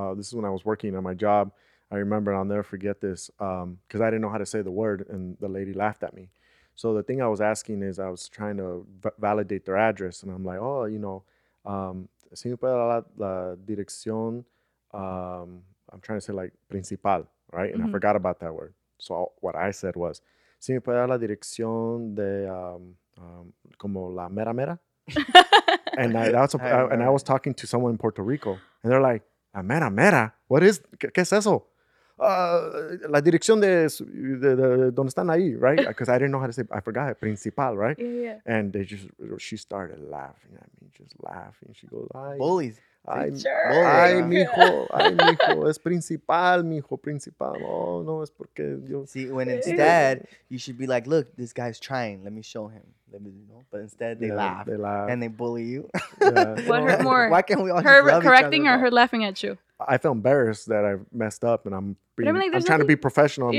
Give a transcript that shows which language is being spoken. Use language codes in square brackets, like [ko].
[en] This is when I was working on my job. I remember, and I'll never forget this, because I didn't know how to say the word, and the lady laughed at me. So the thing I was asking is I was trying to validate their address. And I'm like, oh, you know, [es] si me puede dar la dirección, [en] I'm trying to say like principal, right? And I forgot about that word. So what I said was, [es] si me puede dar la dirección de como la mera mera. [en] And I was talking to someone in Puerto Rico. And they're like, [es] la mera mera? [en] What is, [es] ¿qué es eso? La dirección de donde están ahí, [en] right? Because I didn't know how to say, I forgot it, principal, right? Yeah, yeah. And they she started laughing at me, just laughing. She goes, ay, bullies. [es] Ay, mijo, es principal, mijo, principal. Oh, no, es porque yo. [en] See, when instead you should be like, look, this guy's trying, let me show him. Let me, you know? But instead they laugh. And they bully you. Yeah. What hurt more? Why can't we all her just correcting or her laughing at you? I feel embarrassed that I messed up and I'm trying to be professional.